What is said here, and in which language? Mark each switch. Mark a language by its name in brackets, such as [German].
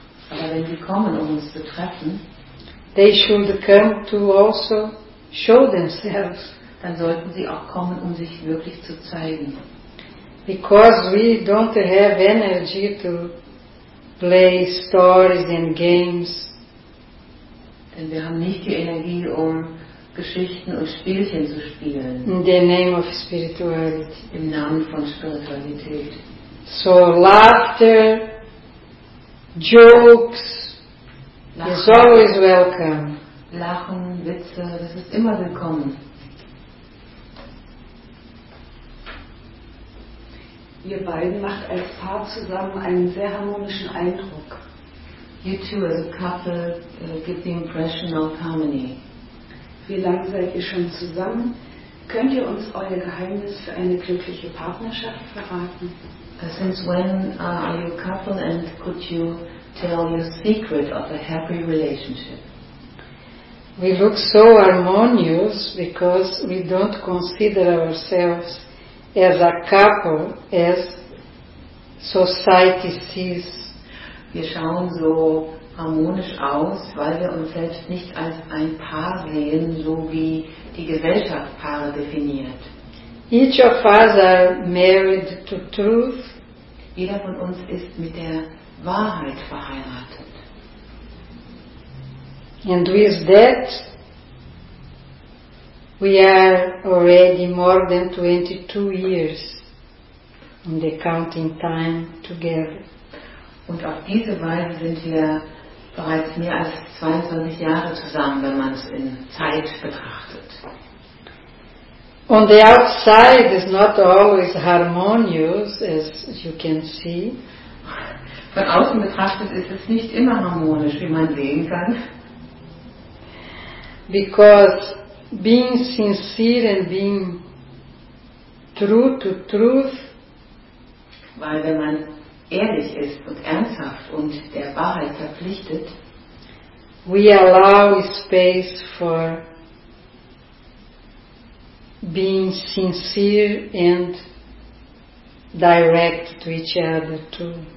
[German] aber wenn sie kommen, um uns zu treffen, [English] they should come to also show themselves. [German] Dann sollten sie auch kommen, um sich wirklich zu zeigen. [English] Because we don't have energy to play stories and games. [German] Denn wir haben nicht die Energie, um Geschichten und Spielchen zu spielen. [English] In the name of spirituality. [German] Im Namen von Spiritualität. [English] So laughter, jokes, [German] Lachen. [English] Is always welcome. [German] Lachen, Witze, das ist immer willkommen. Ihr beiden macht als Paar zusammen einen sehr harmonischen Eindruck. [English] You two as a couple give the impression of harmony. [German] Wie lange seid ihr schon zusammen? Könnt ihr uns euer Geheimnis für eine glückliche Partnerschaft verraten? [English] Since when are you a couple and could you tell your secret of a happy relationship? We look so harmonious because we don't consider ourselves as a couple as society sees. [German] Wir schauen so harmonisch aus, weil wir uns selbst nicht als ein Paar sehen, so wie die Gesellschaft Paare definiert. [English] Each of us are married to truth. [German] Jeder von uns ist mit der Wahrheit verheiratet. [English] And with that, we are already more than 22 years in the counting time together. [German] Und auf diese Weise sind wir bereits mehr als 22 Jahre zusammen, wenn man es in Zeit betrachtet. [English] On the outside is not always harmonious, as you can see. [German] Von außen betrachtet ist es nicht immer harmonisch, wie man sehen kann. [English] because being sincere and being true to truth, [German] weil wenn man ehrlich ist und ernsthaft und der Wahrheit verpflichtet, [English] we allow space for being sincere and direct to each other too.